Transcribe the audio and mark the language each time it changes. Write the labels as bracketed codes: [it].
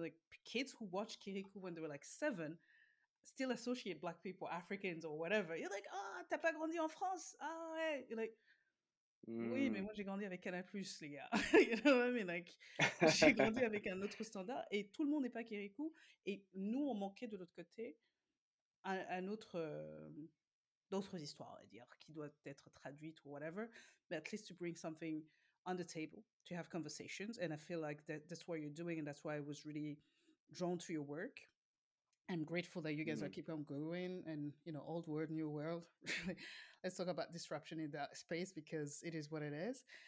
[en] Like kids who watch Kirikou when they were like 7, still associate black people, Africans or whatever. You're like, [fr] ah, oh, t'as pas grandi en France? Ah, ouais. [en] You're like, [fr] oui, mais moi, j'ai grandi avec Canal+, les gars. [en] You know what I mean? [fr] Like, j'ai grandi avec un autre standard et tout le monde n'est pas Kirikou. Et nous, on manquait de l'autre côté un autre, d'autres histoires, à dire, qui doivent être traduites ou whatever. [en] But at least to bring something on the table, to have conversations. And I feel like that's what you're doing and that's why I was really drawn to your work. I'm grateful that you guys are keep on going and, you know, old world, new world. Let's talk about disruption in that space because it is what it is.